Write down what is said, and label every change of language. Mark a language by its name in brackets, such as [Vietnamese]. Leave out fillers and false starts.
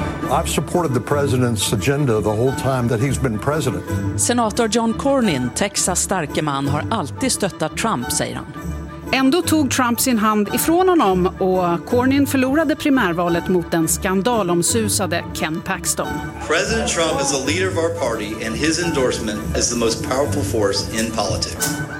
[English] I've supported the president's agenda the whole time that he's been president. [Swedish] Senator John Cornyn, Texas starke man, har alltid stöttat Trump, säger han. Ändå tog Trump sin hand ifrån honom och Cornyn förlorade primärvalet mot den skandalomsusade Ken Paxton. [English] President Trump is the leader of our party and his endorsement is the most powerful force in politics.